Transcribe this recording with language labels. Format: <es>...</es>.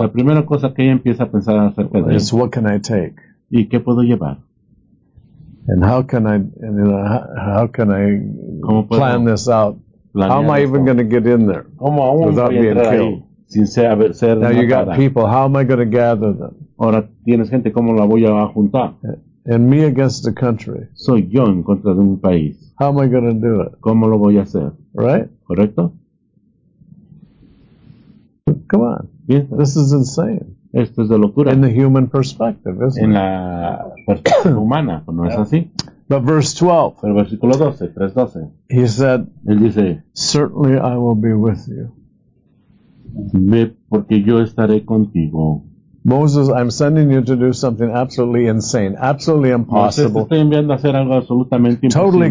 <es>la primera cosa que ella empieza a pensar acerca de</es> <en>is what can I take?</en> <es>¿Y qué puedo llevar?</es> <en>And how can I, and, how can I</en> <es>¿cómo puedo</es> <en>plan this out? How am</en> <es>esto?</es> <en>I even going to get in there</en> <es>¿cómo aún</es> <en>without</en> <es>voy</es> <en>being killed?</en> <es>Sin ser</es> <en>now you got people. How am I going to gather them?</en> <es>Ahora tienes gente, ¿cómo la voy a juntar?</es> <en>And me against the country.</en> <es>Soy yo en contra de un país.</es> <en>How am I going to do it?</en> <es>¿Cómo lo voy a hacer?</es> <en>Right?</en> <es>¿Correcto?</es> <en>Come on.</en> <es>Piensa.</es> <en>This is insane.</en> <es>Esto es de locura.</es> <en>In the human perspective, isn't</en> <es>en</es> <en>it?</en> <es>En la perspectiva humana, ¿no es así?</es> <en>But verse 12.</en> <es>Pero versículo 12, 3:12.</es> <en>He said,</en> <es>él dice,</es> <en>certainly I will be with you.</en> <es>Ve porque yo estaré contigo.</es> <en>Moses, I'm sending you to do something absolutely insane, absolutely impossible,</en> <es>Moses, te estoy enviando a hacer algo absolutamente imposible,</es>